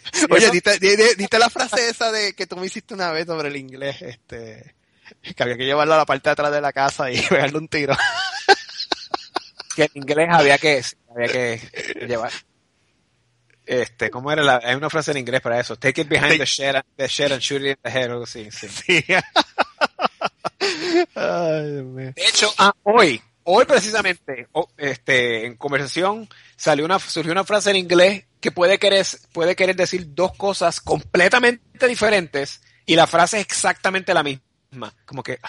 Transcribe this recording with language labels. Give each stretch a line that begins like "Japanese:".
Spanish: Oye, diste la frase esa de que tú me hiciste una vez sobre el inglés, que había que llevarlo a la parte de atrás de la casa y pegarle un tiro. Que el inglés había que llevar. ¿Cómo era? Hay una frase en inglés para eso.
English: Take it behind the shed and shoot it in the head.
Spanish: Oh, sí, sí. Sí. Ay, Dios mío. De hecho, hoy precisamente, en conversación, surgió una frase en inglés que puede querer decir dos cosas completamente diferentes y la frase es exactamente la misma. Como que,